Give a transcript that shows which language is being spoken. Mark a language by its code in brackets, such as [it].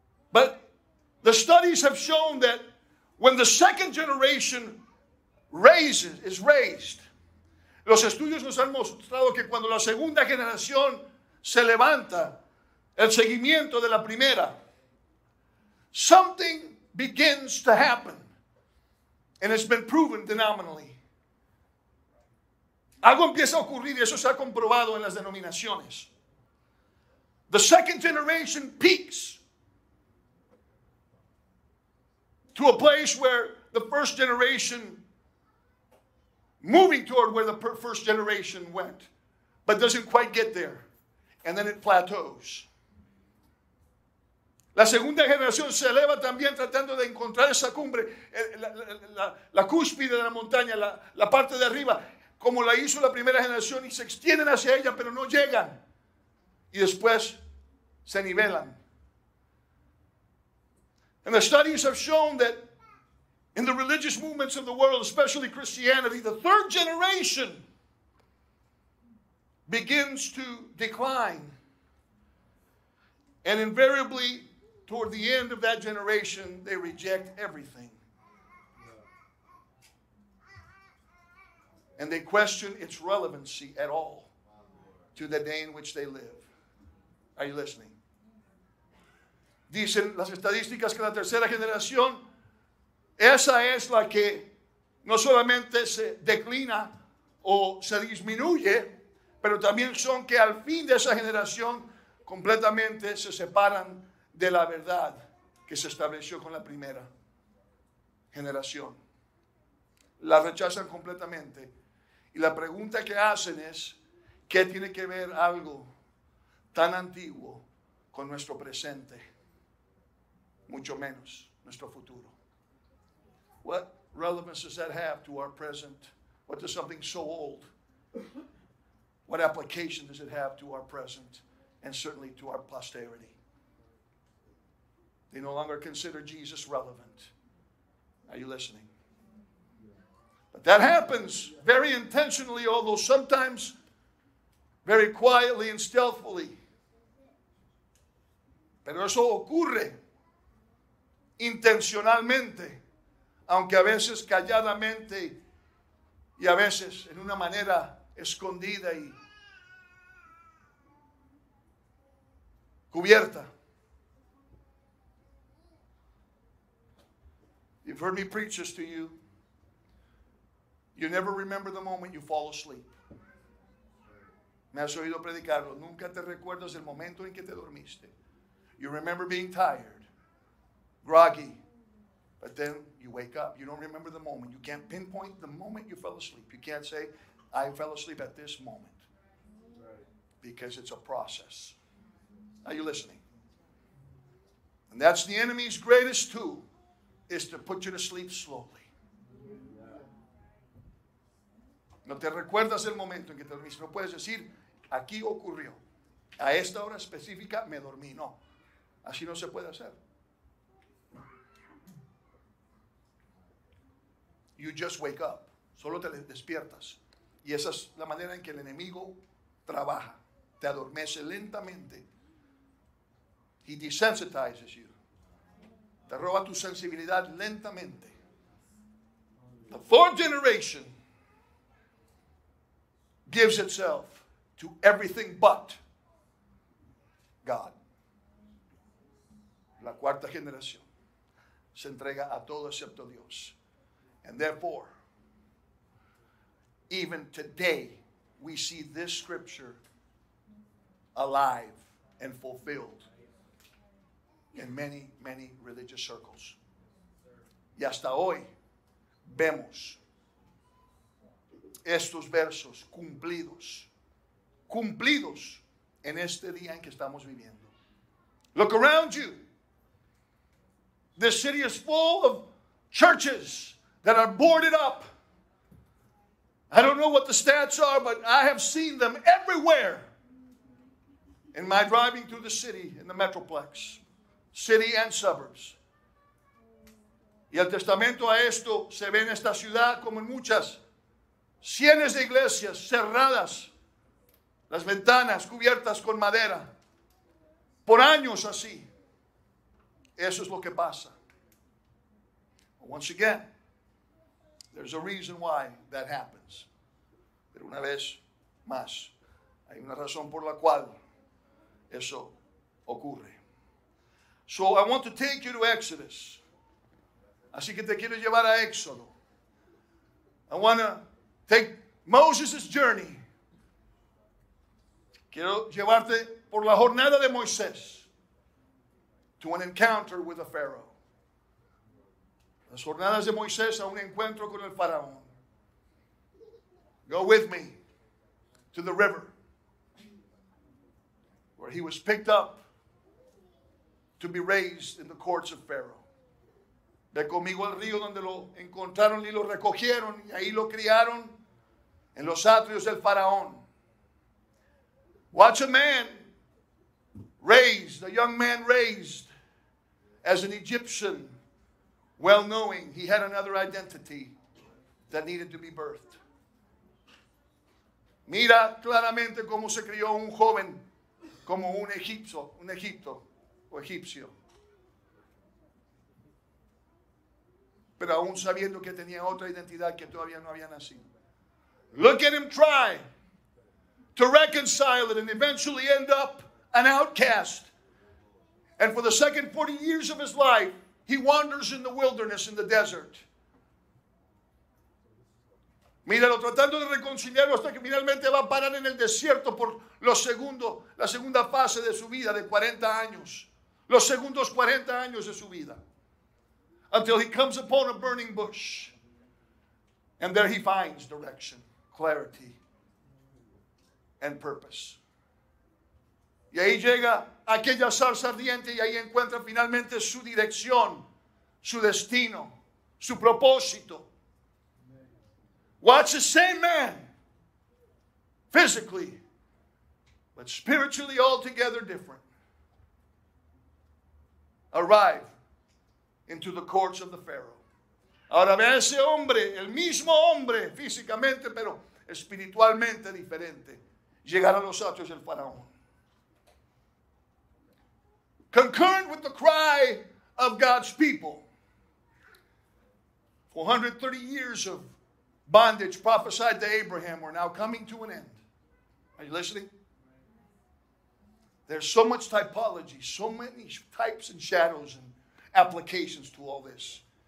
[en] But the studies have shown that when the second generation is raised, [es] los estudios nos han mostrado que cuando la segunda generación se levanta, El seguimiento de la primera. [en] Something begins to happen. And it's been proven denominally. [es] Algo empieza a ocurrir y eso se ha comprobado en las denominaciones. [en] The second generation peaks to a place where the first generation, moving toward where the first generation went, but doesn't quite get there. And then it plateaus. [es] La segunda generación se eleva también tratando de encontrar esa cumbre, la cúspide de la montaña, la parte de arriba, como la hizo la primera generación, y se extienden hacia ella, pero no llegan. Y después se nivelan. [en] And the studies have shown that in the religious movements of the world, especially Christianity, the third generation begins to decline. And invariably, toward the end of that generation, they reject everything. And they question its relevancy at all to the day in which they live. Are you listening? [es] Dicen las estadísticas que la tercera generación, esa es la que no solamente se declina o se disminuye, pero también son que al fin de esa generación completamente se separan de la verdad que se estableció con la primera generación. La rechazan completamente. Y la pregunta que hacen es, ¿qué tiene que ver algo tan antiguo con nuestro presente? Mucho menos nuestro futuro. [en] What relevance does that have to our present? What does something so old, what application does it have to our present and certainly to our posterity? They no longer consider Jesus relevant. Are you listening? But that happens very intentionally, although sometimes very quietly and stealthily. [es] Pero eso ocurre intencionalmente, aunque a veces calladamente y a veces en una manera escondida y cubierta. [en] You've heard me preach this to you. You never remember the moment you fall asleep. [es] Me has oído predicarlo. Nunca te recuerdas el momento en que te dormiste. [en] You remember being tired, groggy, but then you wake up. You don't remember the moment. You can't pinpoint the moment you fell asleep. You can't say, I fell asleep at this moment. Because it's a process. Are you listening? And that's the enemy's greatest tool, is to put you to sleep slowly. [es] No te recuerdas el momento en que te dormiste. No puedes decir, aquí ocurrió. A esta hora específica me dormí. No, así no se puede hacer. [en] You just wake up. [es] Solo te despiertas. Y esa es la manera en que el enemigo trabaja. Te adormece lentamente. [en] He desensitizes you. [es] Te roba tu sensibilidad lentamente. [en] The fourth generation gives itself to everything but God. [es] La cuarta generación se entrega a todo excepto Dios. [en] And therefore, even today, we see this scripture alive and fulfilled in many, many religious circles. [es] Y hasta hoy vemos estos versos cumplidos en este día en que estamos viviendo. [en] Look around you. This city is full of churches that are boarded up. I don't know what the stats are, but I have seen them everywhere in my driving through the city, in the Metroplex. City and suburbs. [es] Y el testamento a esto se ve en esta ciudad como en muchas. Cientos de iglesias cerradas. Las ventanas cubiertas con madera. Por años así. Eso es lo que pasa. [en] Once again, there's a reason why that happens. [es] Pero una vez más, hay una razón por la cual eso ocurre. [en] So I want to take you to Exodus. [es] Así que te quiero llevar a Éxodo. [en] I want to take Moses' journey. [es] Quiero llevarte por la jornada de Moisés [en] to an encounter with the Pharaoh. [es] Las jornadas de Moisés a un encuentro con el faraón. [en] Go with me to the river where he was picked up to be raised in the courts of Pharaoh. [es] Ve conmigo al río donde lo encontraron y lo recogieron y ahí lo criaron en los atrios del faraón. [en] Watch a man raised, a young man raised as an Egyptian, well knowing he had another identity that needed to be birthed. [es] Mira claramente cómo se crió un joven como un egipcio. Pero aún sabiendo que tenía otra identidad que todavía no había nacido. [en] Look at him try to reconcile it and eventually end up an outcast. And for the second 40 years of his life, he wanders in the wilderness, in the desert. [es] Míralo tratando de reconciliarlo hasta que finalmente va a parar en el desierto por la segunda fase de su vida de 40 años. Los segundos 40 años de su vida. [en] Until he comes upon a burning bush. And there he finds direction, clarity, and purpose. [es] Y ahí llega aquella zarza ardiente y ahí encuentra finalmente su dirección, su destino, su propósito. [en] Watch the same man, physically, but spiritually altogether different, arrive into the courts of the Pharaoh. [es] Ahora ve a ese hombre, el mismo hombre, físicamente, pero espiritualmente diferente, llegar a los atrios del faraón. [en] Concurrent with the cry of God's people, 430 years of bondage prophesied to Abraham were now coming to an end. Are you listening? There's so much typology, so many types and shadows and applications to all this.